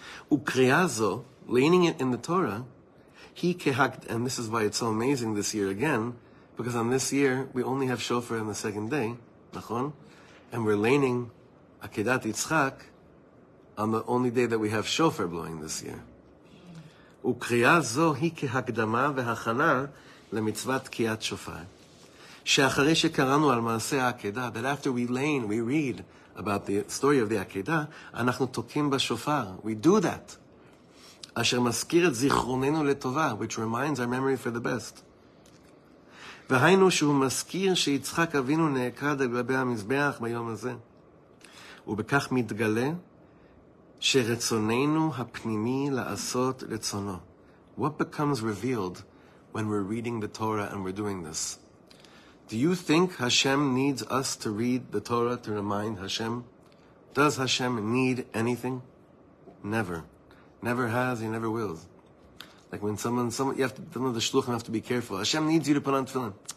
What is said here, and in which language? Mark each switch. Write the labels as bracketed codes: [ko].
[en] Ukriyazo, leaning it in the Torah, he kehakt, and this is why it's so amazing this year again, because on this year, we only have shofar on the second day, nachon? And we're leaning Akedat Yitzchak on the only day that we have shofar blowing this year. [he] וקריאה זו היא כהקדמה והכנה למצוות תקיעת שופר. שאחרי שקראנו על מעשה העקדה, [en] that after we lane, we read about the story of the עקדה, [he] אנחנו תוקעים בשופר. [en] We do that. [he] אשר מזכיר את זיכרוננו לטובה, [en] which reminds our memory for the best. [he] והיינו שהוא מזכיר שיצחק אבינו נעקד על גבי המזבח ביום הזה. ובכך מתגלה שרצוננו הפנימי לעשות רצונו. [en] What becomes revealed when we're reading the Torah and we're doing this? Do you think Hashem needs us to read the Torah to remind Hashem? Does Hashem need anything? Never. Never has, he never will. Like when someone, you have to, some of the shluchim have to be careful. Hashem needs you to put on tefillin.